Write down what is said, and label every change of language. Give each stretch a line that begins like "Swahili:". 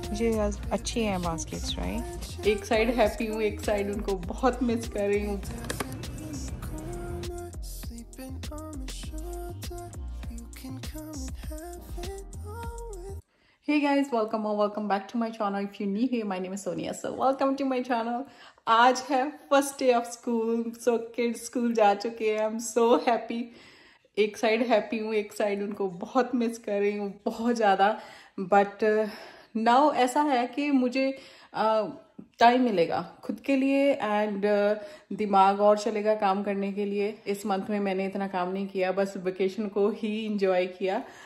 Hindi: ये अच्छी है baskets, right? एक साइड हैप्पी हूँ, एक साइड उनको बहुत मिस कर रही हूँ.
English: Hey guys, welcome or welcome back to my channel. If you're new here, my name is Sonia. So welcome to my channel.
Hindi: आज है
English: first day of school, so kids school
Hindi: जा चुके हैं.
English: I'm so happy.
Hindi: एक side happy हूँ, एक side उनको बहुत मिस कर रही हूँ, बहुत ज़्यादा. बट नाउ ऐसा है कि मुझे टाइम मिलेगा खुद के लिए एंड दिमाग और चलेगा काम करने के लिए. इस मंथ में मैंने इतना काम नहीं किया, बस वेकेशन को ही इंजॉय किया.